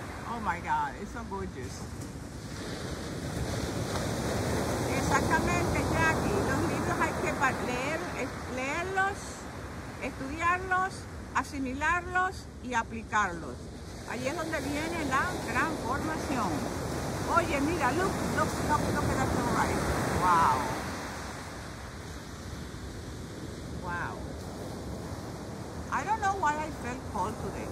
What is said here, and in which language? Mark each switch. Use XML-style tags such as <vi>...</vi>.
<en>Oh my God, it's so gorgeous.</en> <es>Exactamente, Jackie. Los libros hay que leerlos, estudiarlos, asimilarlos y aplicarlos. Ahí es donde viene la gran formación. Oye, mira,</es> <en>look at that sunrise. Wow. I don't know why I felt cold today.</en>